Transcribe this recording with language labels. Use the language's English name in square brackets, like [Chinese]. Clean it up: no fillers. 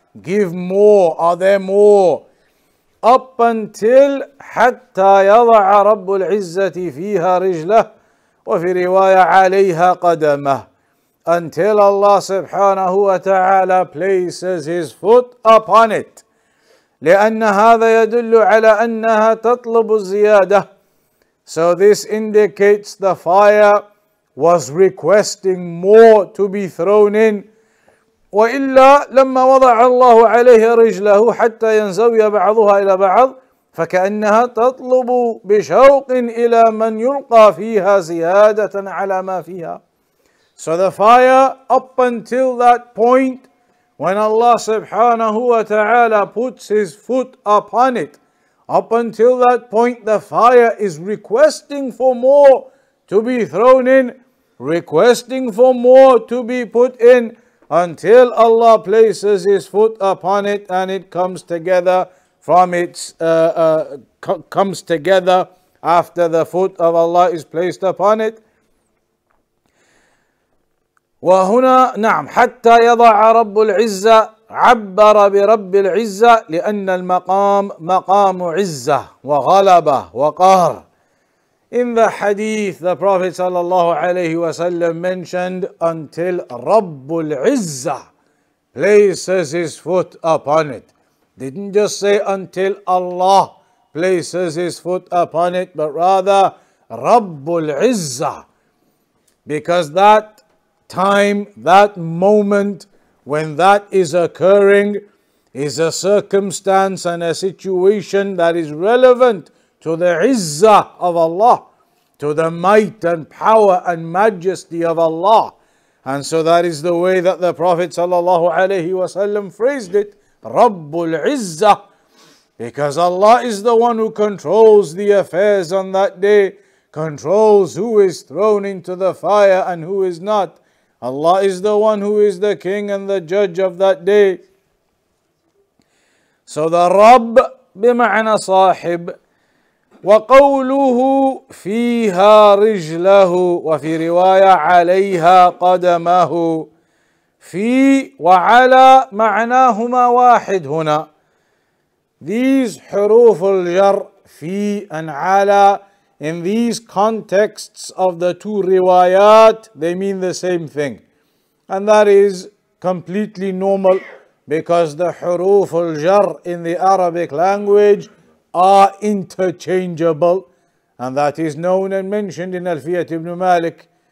[English] Give more, are there more? Up until, [Arabic] حَتَّى يَضَعَ رَبُّ الْعِزَّةِ فِيهَا رِجْلَهُ وَفِي رِوَايَةٍ عَلَيْهَا قَدَمَهُ [English] Until Allah subhanahu wa ta'ala places His foot upon it. [Arabic] لأن هذا يدل على أنها تطلب الزيادة. [English] So this indicates the fire was requesting more to be thrown in. [Arabic] وإلا لما وضع الله عليه رجله حتى ينزوي بعضها إلى بعض فكأنها تطلب بشوق إلى من يلقى فيها زيادة على ما فيها. [English] So the fire up until that point When Allah subhanahu wa ta'ala puts His foot upon it, up until that point, the fire is requesting for more to be thrown in, requesting for more to be put in, until Allah places His foot upon it and it comes together from its comes together after the foot of Allah is placed upon it. [Arabic] وهنا نعم حتى يضع رب العزة عبر برب العزة لأن المقام مقام عزة وغلبة وقهر [English] In the hadith, the Prophet sallallahu alayhi wa sallam mentioned until رب العزة places his foot upon it. didn't just say until Allah places his foot upon it, but rather Rabbul Izzah. Because that time, that moment when that is occurring is a circumstance and a situation that is relevant to the Izzah of Allah, to the might and power and majesty of Allah. And so that is the way that the Prophet sallallahu alaihi wasallam phrased it, Rabbul Izzah, because Allah is the one who controls the affairs on that day, controls who is thrown into the fire and who is not. Allah is the one who is the king and the judge of that day. [Arabic] So the Rabb bima'na sahib, وقوله فيها رجله وفي رواية عليها قدمه في وعلى معناهما واحد هنا. [English] These حروف الجر في and على, in these contexts of the two riwayat, they mean the same thing. And that is completely normal, because the حروف الجر in the Arabic language are interchangeable, and that is known and mentioned in Alfiyat ibn Malik.